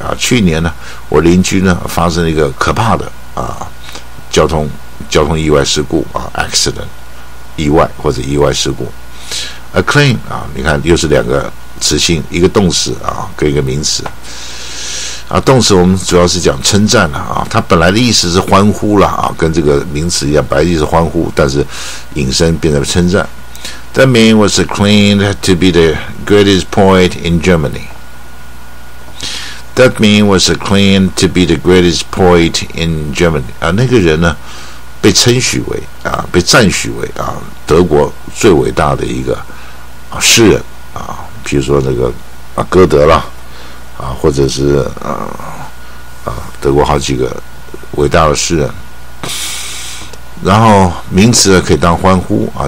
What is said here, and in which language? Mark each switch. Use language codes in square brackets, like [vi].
[zh] 啊，去年呢，我邻居呢发生了一个可怕的啊交通意外事故啊 ，accident 意外或者意外事故。 A claim 啊，你看又是两个词性，一个动词啊跟一个名词。啊，动词我们主要是讲称赞了啊，它本来的意思是欢呼了啊，跟这个名词一样，本来意思是欢呼，但是引申变成称赞。 [en] That man was acclaimed to be the greatest poet in Germany. That man was acclaimed to be the greatest poet in Germany. [zh] 啊，那个人呢，被称许为啊，被赞许为啊，德国最伟大的一个啊诗人啊，比如说那个啊歌德啦。啊，或者是德国好几个伟大的诗人，然后名词可以当欢呼啊。